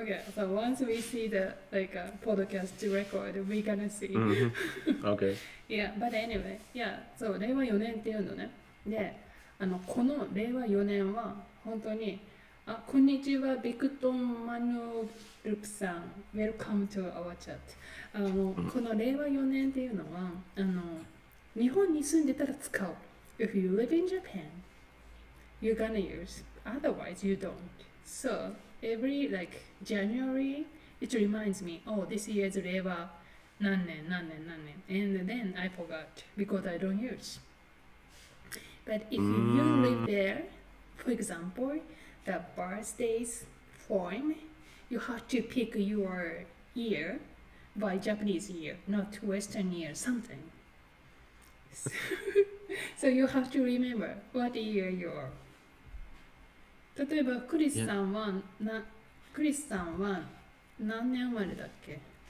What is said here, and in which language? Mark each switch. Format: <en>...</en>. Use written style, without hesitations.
<en>Okay, so once we see the like a podcast record, we're gonna see. Mm-hmm. Okay. Yeah, but anyway, yeah, so</en> <ja>令和4年っていうのね。で、あの、この令和4年は本当に、あ、こんにちは、ビクトン・マニュー・ルプさん。</ja> <en>Welcome to our chat.</en> <ja>あの、この令和4年っていうのは、あの、日本に住んでたら使う。</ja> <en>If you live in Japan, you're gonna use. Otherwise, you don't. So,Every like January, it reminds me, oh, this year is</en> <ja>令和何年何年何年</ja> <en>And then I forgot because I don't use. But if you live there, for example, the birthdays form, you have to pick your year by Japanese year, not Western year, something. So, so you have to remember what year you are.</en> <ja>例えばクリスさんは、yeah. なクリスさんは何年生まれだっけ？</ja>